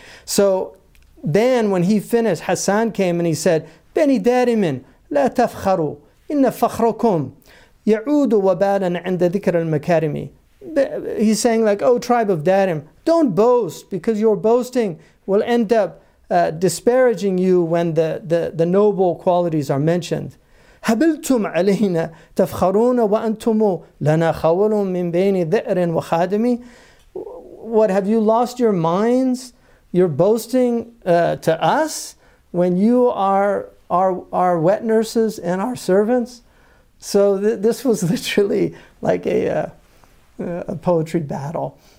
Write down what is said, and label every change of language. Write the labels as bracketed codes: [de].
[en] So then when he finished, Hassan came and he said, Bani Darimin, [ar] لا تفخروا إن فخركم يعود وبالا عند ذكر المكارم. [en] He's saying like, oh tribe of Darim, don't boast, because your boasting will end up disparaging you when the noble qualities are mentioned. [ar] هبلتم علينا تفخرون وأنتم لنا خول من بين ذئر وخادم. [en] What, have you lost your minds? You're boasting to us when you are our wet nurses and our servants. So this was literally like a poetry battle.